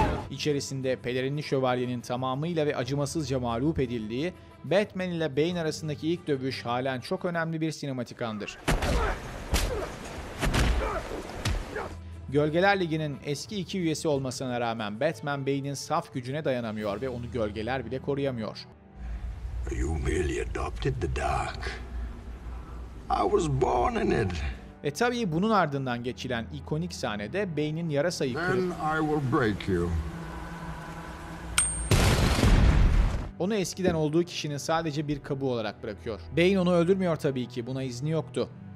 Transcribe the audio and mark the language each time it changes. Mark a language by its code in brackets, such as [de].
[tr] İçerisinde pelerinli şövalyenin tamamıyla ve acımasızca mağlup edildiği Batman ile Bane arasındaki ilk dövüş halen çok önemli bir sinematik andır. Gölgeler Ligi'nin eski iki üyesi olmasına rağmen Batman Bane'in saf gücüne dayanamıyor ve onu gölgeler bile koruyamıyor. [en] You merely adopted the dark. I was born in it. [tr] E tabii bunun ardından geçilen ikonik sahnede Bane'in yarasayı kırıp... [en] Then I will break you. [tr] Onu eskiden olduğu kişinin sadece bir kabuğu olarak bırakıyor. Bane onu öldürmüyor tabii ki, buna izni yoktu.